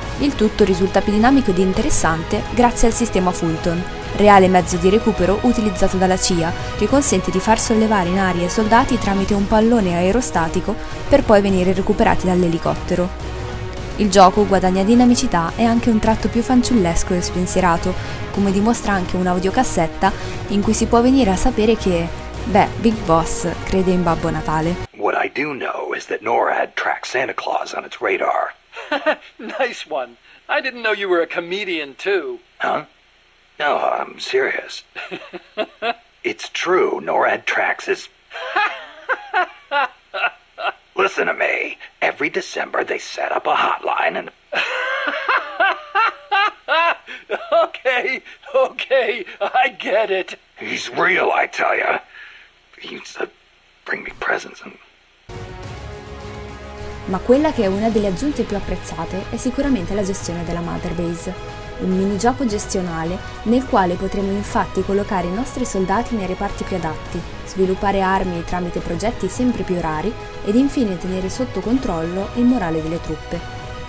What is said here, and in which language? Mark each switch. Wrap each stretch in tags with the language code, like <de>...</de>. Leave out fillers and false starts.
<it>Il tutto risulta più dinamico ed interessante grazie al sistema Fulton, reale mezzo di recupero utilizzato dalla CIA, che consente di far sollevare in aria i soldati tramite un pallone aerostatico per poi venire recuperati dall'elicottero. Il gioco guadagna dinamicità e anche un tratto più fanciullesco e spensierato, come dimostra anche un'audiocassetta in cui si può venire a sapere che, beh, Big Boss crede in Babbo Natale.</it> <en>What I do know is that Nora had tracked Santa Claus on its radar. Nice one. I didn't know you were a comedian too. Huh? No, I'm serious. It's true, Nora had tracks as... Listen to me. Every December they set up a hotline and... Okay, I get it. He's real, I tell ya. He used to bring me presents and...</en> <it>Ma quella che è una delle aggiunte più apprezzate è sicuramente la gestione della Mother Base, un minigioco gestionale nel quale potremo infatti collocare i nostri soldati nei reparti più adatti, sviluppare armi tramite progetti sempre più rari ed infine tenere sotto controllo il morale delle truppe.</it>